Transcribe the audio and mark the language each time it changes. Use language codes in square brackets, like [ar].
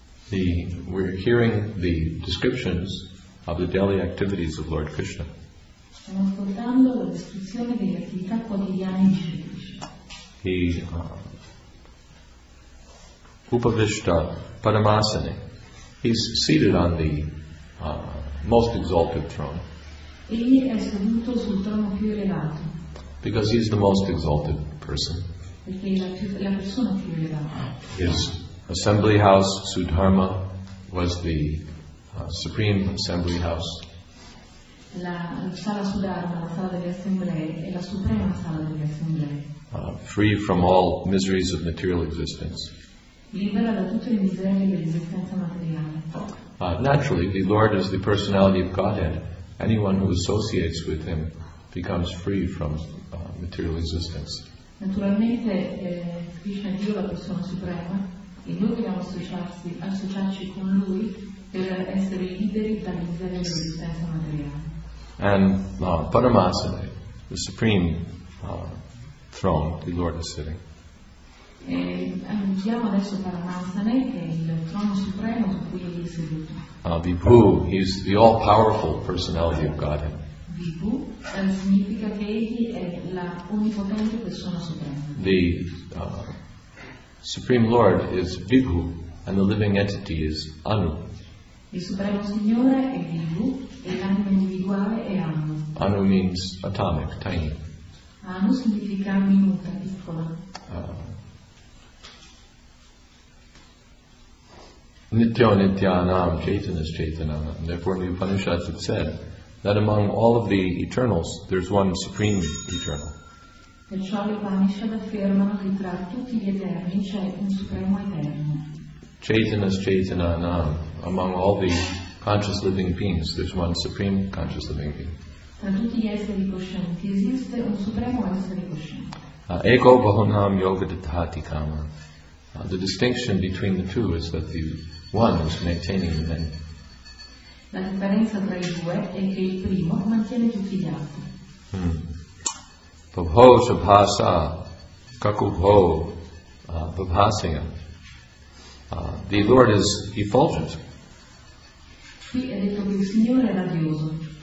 [en] We're hearing the descriptions of the daily activities of Lord Krishna. [it] Stiamo ascoltando la descrizione delle attività quotidiane di Krishna. [sa] Upavishta Padmasana. [en] He's seated on the most exalted throne. [it] Egli è seduto sul trono più elevato. [en] Because he's the most exalted person. [it] Perché la persona più elevata. [en] His assembly house, Sudharma, was the supreme assembly house. [it] La sala Sudharma, la sala delle assemblee, è la suprema sala delle assemblee. [en] Free from all miseries of material existence. [it] Libera da tutte le miserie dell'esistenza materiale. [en] Naturally, the Lord is the personality of Godhead. Anyone who associates with him becomes free from material existence. [it] Naturalmente, Krishna è Dio, la persona suprema, e noi dobbiamo associarci con lui per essere liberi dalle miserie dell'esistenza materiale. [en] And Paramasana, the supreme throne, the Lord is sitting. [it] Andiamo adesso a Paramasana, che è il trono supremo su cui è seduto. [en] Vibhu, he's the all-powerful personality of Godhead. [it] Vibhu significa che egli è la onnipotente persona suprema. [en] The supreme Lord is Vibhu, and the living entity is Anu. [it] Il supremo signore è Vibhu. L'anima individuale è Anu. [en] Anu means atomic, tiny. [it] Anu significa minuta, piccola. [sa] Nityo nityanam chaitanas chaitanam. [en] Therefore the Upanishads have said that among all of the eternals there's one supreme eternal. [it] Perciò gli Upanishad affermano che tra tutti gli eterni c'è un supremo eterno. [sa] Chaitanas chaitanam. [en] Among all the conscious living beings, there's one supreme conscious living being. [it] Tra tutti gli esseri coscienti esiste un supremo essere cosciente. [sa] Ego bahunam yogadatati kama. [en] The distinction between the two is that the one is maintaining the many. [it] La differenza tra i due è che il primo mantiene tutti gli altri. [sa] Babho shabhasa kakubho babhasya. [en] The Lord is effulgent. [it] Qui è detto che il Signore è radioso.